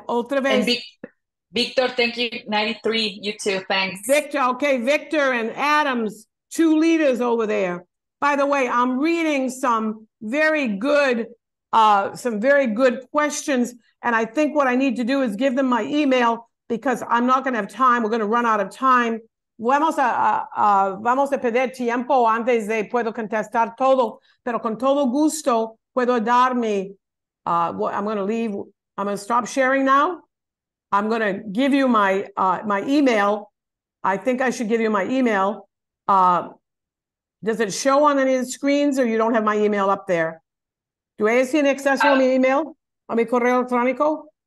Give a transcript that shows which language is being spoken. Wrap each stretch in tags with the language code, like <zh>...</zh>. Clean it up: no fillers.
<en>Victor, thank you. 93, you too. Thanks. Victor, okay. Victor and Adams, two leaders over there. By the way, I'm reading some very good questions, and I think what I need to do is give them my email because I'm not going to have time. We're going to run out of time.</en> <es>Vamos a perder tiempo antes de puedo contestar todo, pero con todo gusto puedo darme.</es> <en>I'm going to leave. I'm going to stop sharing now. I'm going to give you my email. I think I should give you my email. Does it show on any of the screens, or you don't have my email up there? Do I see an</en> <es>acceso a mi email, a mi correo electrónico?</es>